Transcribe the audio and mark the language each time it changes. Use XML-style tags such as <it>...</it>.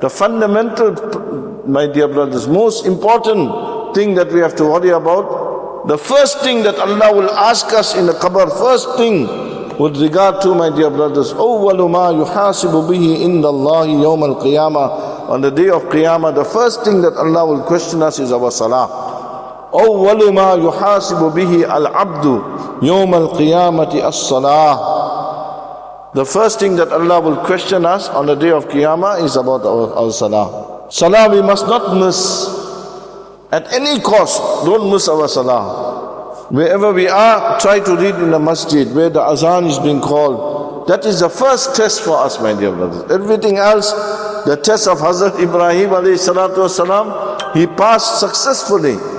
<en>The fundamental, my dear brothers, most important thing that we have to worry about, the first thing that Allah will ask us in the qabr, first thing with regard to, my dear brothers,</en> <ar>أَوَّلُ مَا يُحَاسِبُ بِهِ إِنَّ اللَّهِ يَوْمَ الْقِيَامَةِ.</ar> <en>On the day of Qiyamah, the first thing that Allah will question us is our salah.</en> <ar>أول ما يحاسب به العبد يوم القيامة الصلاة.</ar> <en>The first thing that Allah will question us on the day of Qiyamah is about our salah. Salah we must not miss. At any cost, don't miss our salah. Wherever we are, try to read in the masjid where the azan is being called. That is the first test for us, my dear brothers. Everything else, the test of Hazrat Ibrahim alayhi salatu wasalam, he passed successfully.</en>